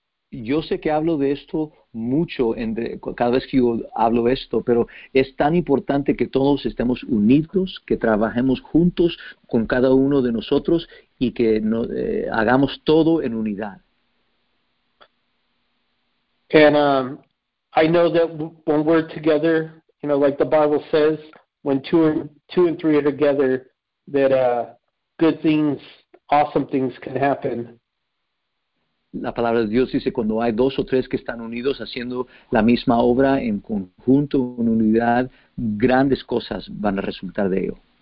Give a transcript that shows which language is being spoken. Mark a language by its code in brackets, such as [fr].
[es] Yo sé que hablo de esto mucho cada vez que yo hablo esto, pero es tan importante que todos estemos unidos, que trabajemos juntos con cada uno de nosotros y que hagamos todo en unidad. [en] And I know that when we're together, you know, like the Bible says, when two and three are together, that good things, awesome things can happen. [es] La palabra de Dios dice, cuando hay dos o tres que están unidos haciendo la misma obra en conjunto, en unidad, grandes cosas van a resultar de ello.